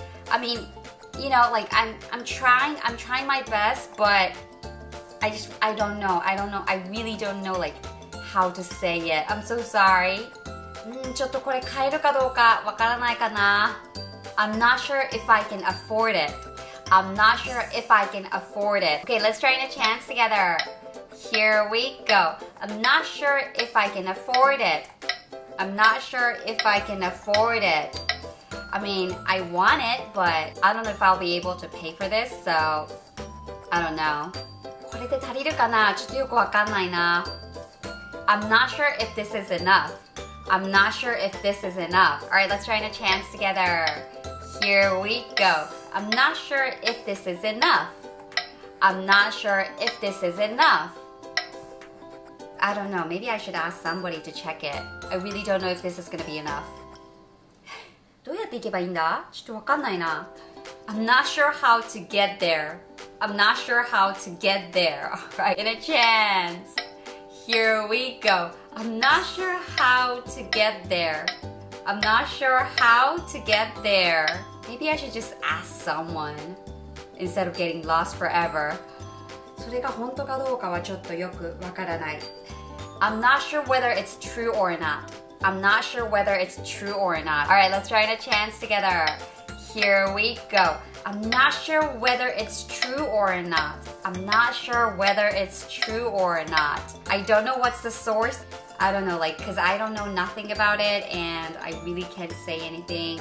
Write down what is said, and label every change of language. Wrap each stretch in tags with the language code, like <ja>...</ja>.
<en>I mean, you know, like I'm trying my best, but I don't know. I really don't know like how to say it. I'm so sorry.</en> <ja>ちょっとこれ買えるかどうかわからないかな。</ja> <en>I'm not sure if I can afford it. I'm not sure if I can afford it. Okay, let's try in a chance together. Here we go. I'm not sure if I can afford it. I'm not sure if I can afford it. I mean, I want it, but I don't know if I'll be able to pay for this, so I don't know.</en> <ja>これで足りるかな? ちょっとよくわかんないな。</ja> <en>I'm not sure if this is enough. I'm not sure if this is enough. Alright, let's try in a chance together. Here we go. I'm not sure if this is enough. I'm not sure if this is enough. I don't know. Maybe I should ask somebody to check it. I really don't know if this is going to be enough.</en> <ja>どうやって行けばいいんだ?ちょっとわかんないな。</ja> <en>I'm not sure how to get there. I'm not sure how to get there. Alright, in a chance. Here we go. I'm not sure how to get there. I'm not sure how to get there. Maybe I should just ask someone instead of getting lost forever.</en> <ja>それが本当かどうかはちょっとよくわからない。</ja> <en>I'm not sure whether it's true or not. I'm not sure whether it's true or not. All right, let's try it a chance together. Here we go. I'm not sure whether it's true or not. I'm not sure whether it's true or not. I don't know what's the source. I don't know, like, because I don't know nothing about it, and I really can't say anything.</en>